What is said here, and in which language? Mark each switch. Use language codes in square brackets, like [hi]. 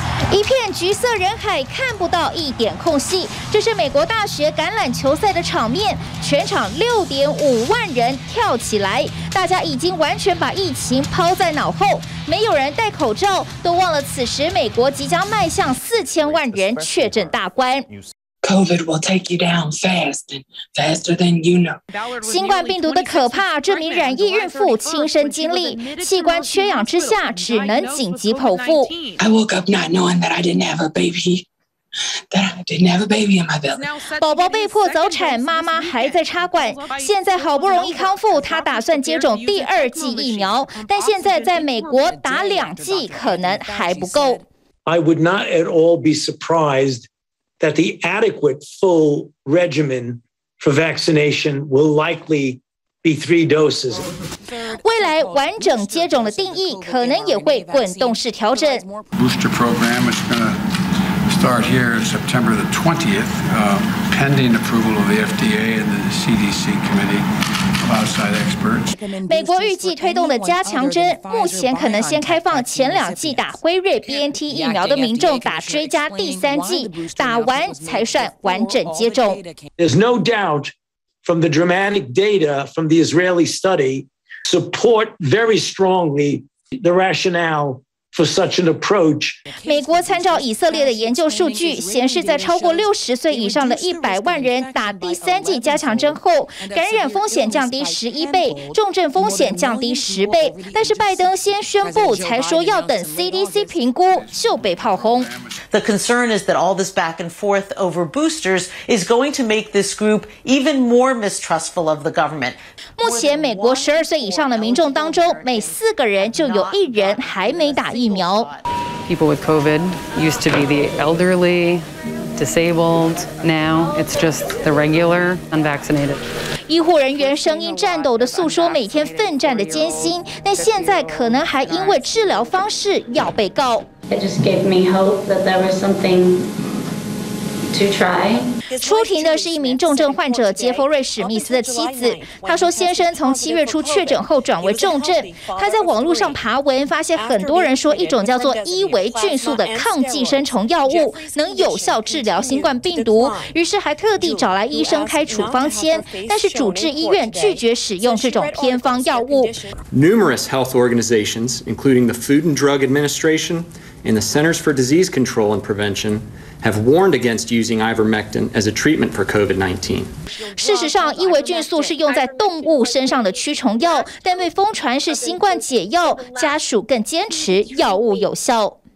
[zh] 一片橘色人海，看不到一点空隙。这是美国大学橄榄球赛的场面，全场650,000人跳起来，大家已经完全把疫情抛在脑后，没有人戴口罩，都忘了此时美国即将迈向4,000,000人确诊大关。 [en] COVID will take you down fast, faster than you know. [zh] 新冠病毒的可怕，这名染疫孕妇亲身经历，器官缺氧之下只能紧急剖腹。 [en] I woke up not knowing that I didn't have a baby, that I didn't have a baby in my belly. [zh] 宝宝被迫早产，妈妈还在插管，现在好不容易康复，她打算接种第二剂疫苗，但现在在美国打两剂可能还不够。 [en] I would not at all be surprised. That the adequate full regimen for vaccination will likely be 3 doses. [zh] 未来完整接种的定义可能也会滚动式调整。 [en] Booster program is going to start here September the 20th, pending approval of the FDA and the CDC committee. [zh] 美国预计推动的加强针，目前可能先开放前两剂打辉瑞 BNT 疫苗的民众打追加第三剂，打完才算完整接种。 [en] There's no doubt from the dramatic data from the Israeli study support very strongly the rationale. For such an approach, [zh] 美国参照以色列的研究数据显示，在超过60岁以上的100,000人打第三剂加强针后，感染风险降低11倍，重症风险降低10倍。但是拜登先宣布，才说要等 CDC 评估，就被炮轰。 [en] The concern is that all this back and forth over boosters is going to make this group even more mistrustful of the government. [zh] 目前美国12岁以上的民众当中，每4个人就有1人还没打。 [en] People with COVID used to be the elderly, disabled. Now it's just the regular unvaccinated. [zh] 医护人员声音颤抖地诉说每天奋战的艰辛，但现在可能还因为治疗方式要被告。 [en] It just gave me hope that there was something to try. [zh] 出庭的是一名重症患者杰弗瑞·史密斯的妻子，他说先生从七月初确诊后转为重症，他在网络上爬文发现很多人说一种叫做伊维菌素的抗寄生虫药物能有效治疗新冠病毒，于是还特地找来医生开处方签，但是主治医院拒绝使用这种偏方药物。 [en] Numerous health organizations including the Food and Drug Administration and the Centers for Disease Control and PreventionHave warned against using ivermectin as a treatment for COVID-19. [zh] 事实上，伊维菌素是用在动物身上的驱虫药，但被疯传是新冠解药，家属更坚持药物有效。